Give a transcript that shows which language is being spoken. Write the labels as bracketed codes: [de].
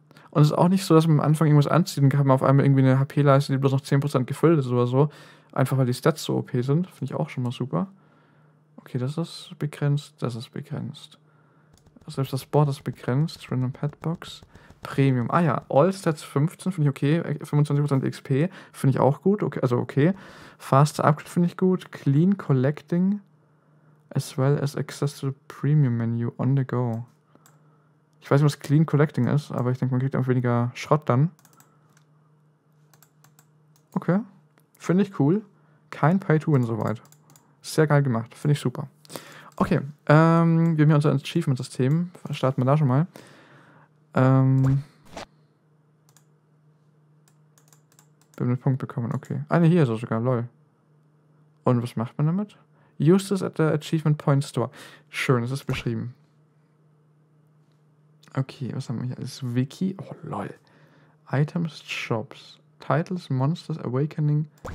[de] Und es ist auch nicht so, dass man am Anfang irgendwas anzieht und kann man auf einmal irgendwie eine HP-Leiste, die bloß noch 10% gefüllt ist oder so. Einfach weil die Stats so OP sind. Finde ich auch schon mal super. Okay, das ist begrenzt, das ist begrenzt. Selbst das Board ist begrenzt. Random Petbox. Premium. Ah ja, Allstats 15 finde ich okay. 25% XP finde ich auch gut. Okay, also okay. Faster Upgrade finde ich gut. [en] Clean Collecting. As well as access to the Premium Menu on the go. [de] Ich weiß nicht, was Clean Collecting ist, aber ich denke, man kriegt auch weniger Schrott dann. Okay. Finde ich cool. Kein Pay to Win soweit. Sehr geil gemacht. Finde ich super. Okay, wir haben hier unser Achievement-System. Starten wir da schon mal. Wir haben einen Punkt bekommen, okay. Eine hier ist er sogar, lol. Und was macht man damit? [en] Use this at the Achievement Point Store. [de] Schön, es ist beschrieben. Okay, was haben wir hier? Das Wiki, oh lol. [en] Items, Shops, Titles, Monsters, Awakening.